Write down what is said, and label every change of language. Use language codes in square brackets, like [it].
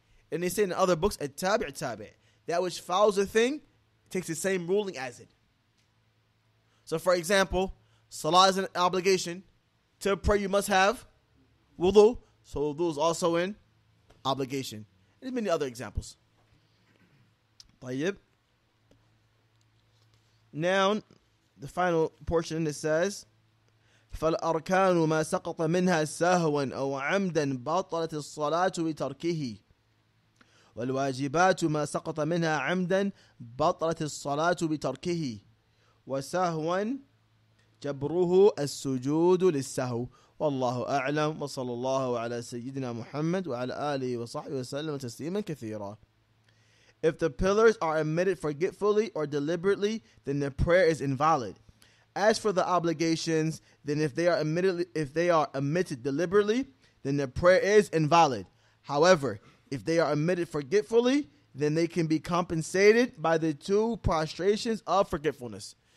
[en] And they say in other books, at-tabi', that which follows a thing takes the same ruling as it. So for example, salah is an obligation. To pray, you must have wudu. So wudu is also an obligation. There's many other examples. Tayyib. Now, the final portion, it says, [ar] فالأركان ما سقط منها سهوا أو عمدا بطلت الصلاة بتركه والواجبات ما سقط منها عمدا بطلت الصلاة بتركه وسهوا جبره السجود للسهو والله أعلم وصلى الله على سيدنا محمد وعلى آله وصحبه وسلم تسليما كثيرا. [en] If the pillars are omitted forgetfully or deliberately, then the prayer is invalid. As for the obligations, then if they are omitted deliberately, then the prayer is invalid. However, if they are omitted forgetfully, then they can be compensated by the two prostrations of forgetfulness.